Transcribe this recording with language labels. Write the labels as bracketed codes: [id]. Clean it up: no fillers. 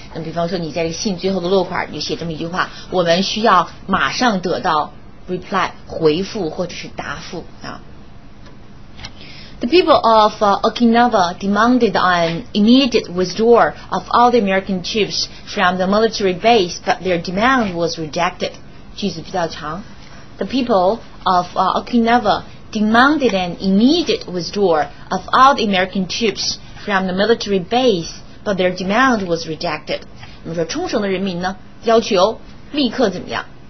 [zh] 那比方说你在这个信最后的落款你就写这么一句话，我们需要马上得到 reply 回复或者是答复啊。 [en] The people of Okinawa demanded an immediate withdrawal of all the American troops from the military base, but their demand was rejected. [zh] 句子比较长。 [en] The people of Okinawa demanded an immediate withdrawal of all the American troops. From the military base, but their demand was rejected. [zh] 我们说冲绳的人民呢，要求立刻怎么样？